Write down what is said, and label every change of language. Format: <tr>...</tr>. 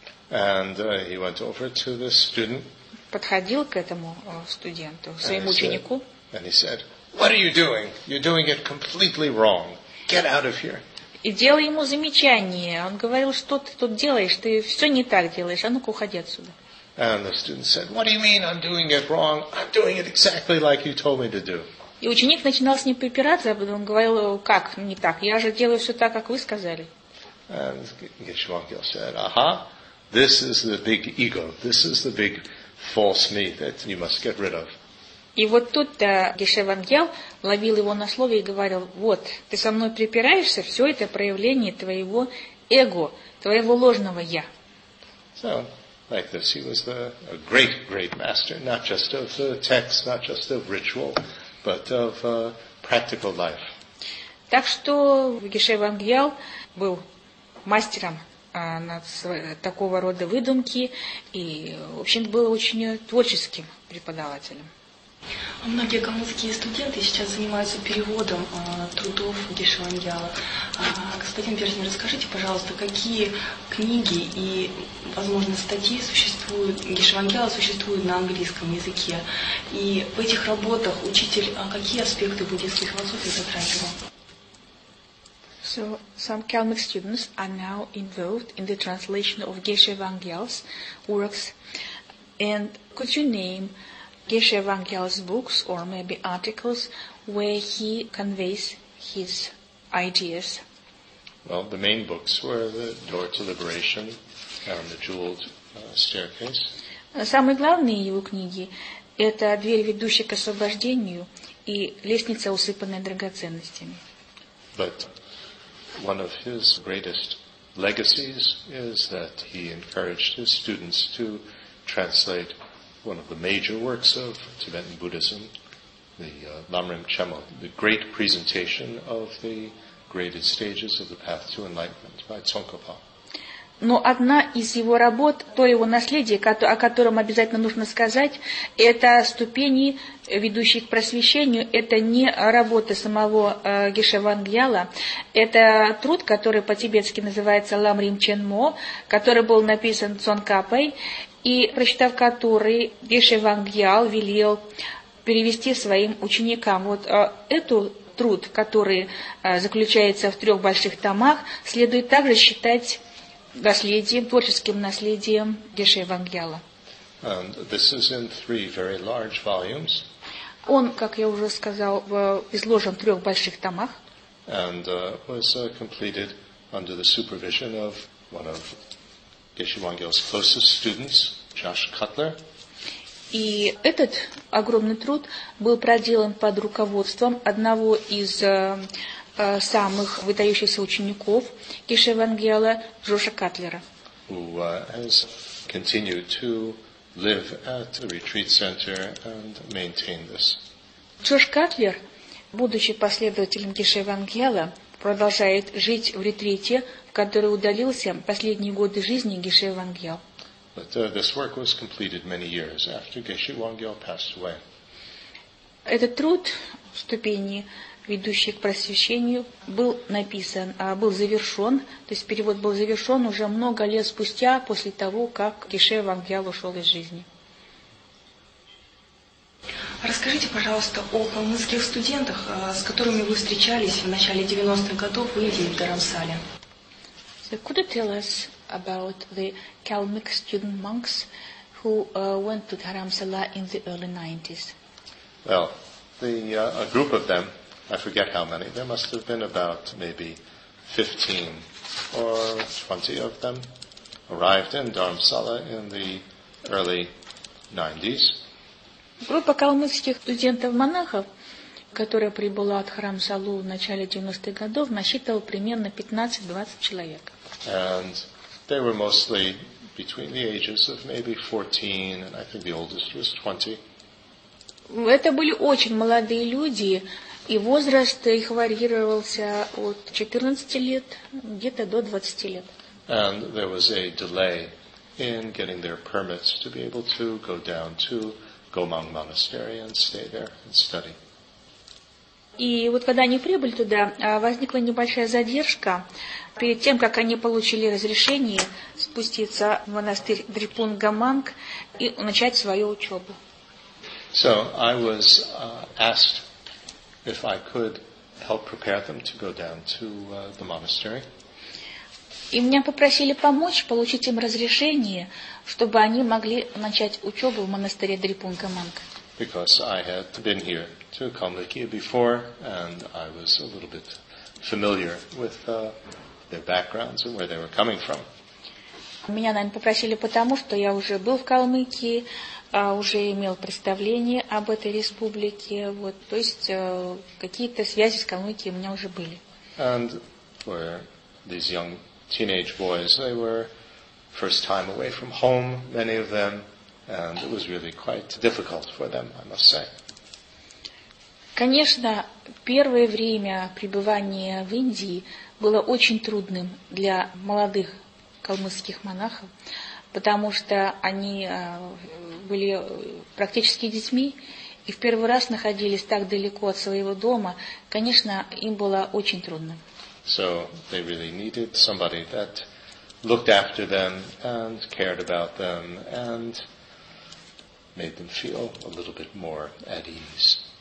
<en>And, he went over to the student.</en> <ru>Подходил к этому студенту, своему ученику.</ru> <en>And he said, "What are you doing? You're doing it completely wrong. Get out of here."</en> <ru>И делал ему замечание. Он говорил: "Что ты тут делаешь? Ты все не так делаешь. А ну-ка уходи отсюда."</ru> <en>And the student said, "What do you mean I'm doing it wrong? I'm doing it exactly like you told me to do."</en> <ru>И ученик начинал с ним препираться, он говорил: "Как не так? Я же делаю все так, как вы сказали."</ru> <en>And Gishi Wangyal said, "Aha, this is the big ego. This is the big false me that you must get rid of."</en> <ru>И вот тут Гиши Вангьял ловил его на слове и говорил: "Вот, ты со мной препираешься, все это проявление твоего эго, твоего ложного я."</ru> <en>So, like this, he was a great, great master, not just of the text, not just of ritual, but of practical life.</en> <ru>Так что Гиши Вангьял был мастером на такого рода выдумки, и, в общем, был очень творческим преподавателем. Многие калмыкские студенты сейчас занимаются переводом трудов Гешеваньяла. Господин Вержин, расскажите, пожалуйста, какие книги и, возможно, статьи существуют, Гешеваньяла существуют на английском языке? И в этих работах учитель какие аспекты буддийской философии затрагивал?</ru> <en>So some Kalmyk students are now involved in the translation of Geshe Wangyal's works. And could you name Geshe Wangyal's books or maybe articles where he conveys his ideas? Well, the main books were The Door to Liberation and The Jeweled Staircase.</en> <ru>Самые главные его книги – это «Дверь, ведущая к освобождению» и «Лестница, усыпанная драгоценностями».</ru> <en>But one of his greatest legacies is that he encouraged his students to translate one of the major works of Tibetan Buddhism, the Lamrim Chemo, the great presentation of the graded stages of the path to enlightenment by Tsongkhapa.</en> <ru>Но одна из его работ, то его наследие, о котором обязательно нужно сказать, это ступени, ведущие к просвещению. Это не работа самого Гешеваньяла. Это труд, который по-тибетски называется «Ламрим Ченмо», который был написан Цонкапой, и прочитав который, Гешеваньял велел перевести своим ученикам. Вот эту труд, который заключается в трех больших томах, следует также считать наследием, творческим наследием Гешеваньяла.</ru> <en>This is in three very large volumes.</en> <ru>Он, как я уже сказал, изложен в трех больших томах.</ru> <en>And was completed under the supervision of one of Гешеваньяла's closest students, Josh Cutler.</en> <ru>И этот огромный труд был проделан под руководством одного из самых выдающихся учеников Гешеваньяла Джоша Катлера.</ru> <en>Who has continued to live at the retreat center and maintain this.</en> <ru>Джош Катлер, будучи последователем Гешеваньяла, продолжает жить в ретрите, в который удалился последние годы жизни Гешеваньял.</ru> <en>But this work was completed many years after Гешеваньял passed away.</en> <ru>Этот труд ступени, ведущий к просвещению, был написан, был завершен, то есть перевод был завершен уже много лет спустя после того, как Гешеваньял ушел из жизни. Расскажите, пожалуйста, о калмыкских студентах, с которыми вы встречались в начале 90-х годов в Индии, в Дарамсале.</ru> <en>So could you tell us about the Kalmyk student monks who went to Dharamsala in the early 90s? Well, a group of them, I forget how many. There must have been about maybe 15 or 20 of them arrived in Dharamsala in the early 90s.</en> <ru>Группа калмыцких студентов-монахов, которая прибыла от Дхарамсалу в начале 90-х годов, насчитывала примерно 15-20 человек.</ru> <en>And they were mostly between the ages of maybe 14, and I think the oldest was 20.</en> <ru>Это были очень молодые люди, и возраст их варьировался от 14 лет где-то до 20 лет.</ru> <en>And there was a delay in getting their permits to be able to go down to Gomang Monastery and stay there and study.</en> <ru>И вот когда они прибыли туда, возникла небольшая задержка перед тем, как они получили разрешение спуститься в монастырь Дрипун Гаманг и начать свою учебу.</ru> <en>So I was asked if I could help prepare them to go down to the monastery.</en> <ru>И меня попросили помочь получить им разрешение, чтобы они могли начать учебу в монастыре Дрипун Гаманг.</ru> <en>Because I had been here to Калмыкии before, and I was a little bit familiar with their backgrounds and where they were coming from.</en> <ru>Меня, наверное, попросили потому, что я уже был в Калмыкии, уже имел представление об этой республике, вот, то есть какие-то связи с Калмыкией у меня уже были. And for these young teenage boys, they were first time away from home, many of them, and it was really quite difficult for them, I must say. Конечно, первое время пребывания в Индии было очень трудным для молодых калмыцких монахов, потому что они были практически детьми и в первый раз находились так далеко от своего дома. Конечно, им было очень трудно.</ru> <en>So they really needed somebody that looked after them and cared about them and made them feel a little bit more at ease.</en>